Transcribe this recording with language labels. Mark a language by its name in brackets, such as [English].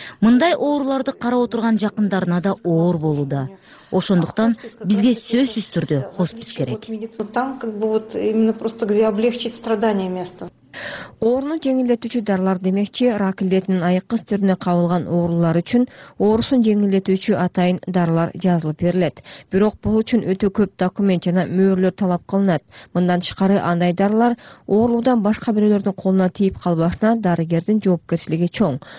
[Kyrgyz] Мындай ооруларды карап отурган жакындарына да оор болууда. Ошондуктан бизге сөзсүз түрдө хоспис керек. [Russian] Там как бы вот именно просто где облегчить страдания место. [Kyrgyz] Оорунун жеңилдетүүчү дарылар демекчи, рак илдетинин айыккыс түрүнө кабылган оорулар үчүн оорусун жеңилдетүүчү атайын дарылар жазылып берилет. Бирок бул үчүн өтө көп документ жана мөөрлөр талап кылынат. Мындан тышкары андай дарылар оорулуудан башка бирөөлөрдүн колуна тийип калбашына дарыгердин жоопкерчилиги чоң.